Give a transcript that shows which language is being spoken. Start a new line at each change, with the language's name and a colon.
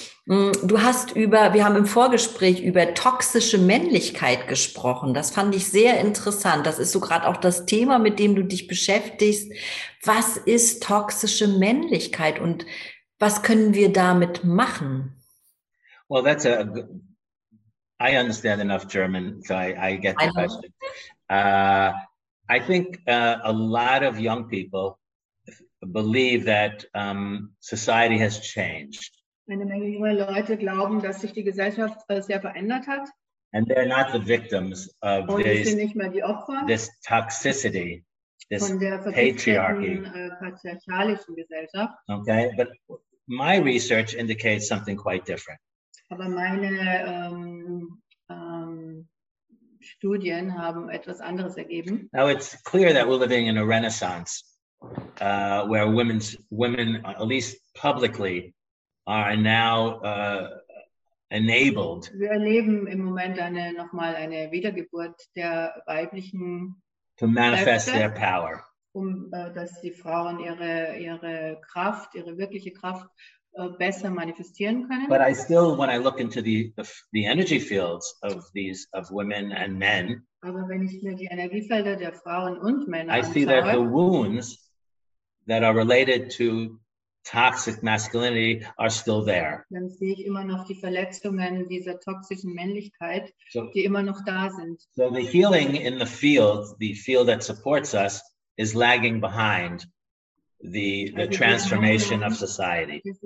German: Du hast wir haben im Vorgespräch über toxische Männlichkeit gesprochen. Das fand ich sehr interessant. Das ist so gerade auch das Thema, mit dem du dich beschäftigst. Was ist toxische Männlichkeit und was können wir damit machen?
English: Well, that's a I understand enough German, so I get the question. I think a lot of young people believe that society has changed.
German: Eine Menge junger Leute glauben, dass sich die Gesellschaft sehr verändert hat.
English: And they're not the victims of
German: und sie sind nicht mehr die Opfer
English: this toxicity, this
German: von der patriarchalischen Gesellschaft.
English: Okay, but my research indicates something quite different.
German: Aber meine Studien haben etwas anderes ergeben.
English: Now it's clear that we're living in a renaissance where women, at least publicly, are now enabled.
German: Wir erleben im Moment eine Wiedergeburt der weiblichen
English: to manifest their power.
German: Um, dass die Frauen ihre Kraft, ihre wirkliche Kraft besser manifestieren können.
English: But I still, when I look into the energy fields of these of women and men,
German: aber wenn ich mir die Energiefelder der Frauen und Männer
English: I see that the wounds that are related to toxic masculinity are still there.
German: Dann sehe ich immer noch die Verletzungen dieser toxischen Männlichkeit, so, die immer noch da sind.
English: So the healing in the field that supports us, is lagging behind the transformation of society.